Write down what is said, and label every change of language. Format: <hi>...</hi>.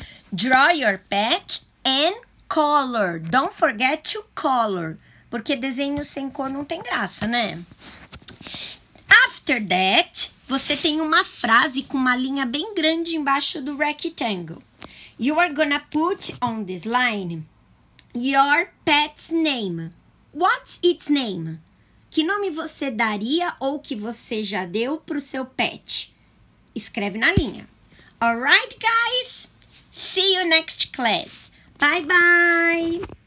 <en>Draw your pet and color. Don't forget to color.</en> <pt>Porque desenho sem cor não tem graça, né?</pt> <en>After that,</en> <pt>você tem uma frase com uma linha bem grande embaixo do rectangle.</pt> <en>You are gonna put on this line your pet's name. What's its name?</en> <pt>Que nome você daria ou que você já deu pro seu pet? Escreve na linha.</pt> <en>Alright, guys? See you next class. Bye, bye!</en>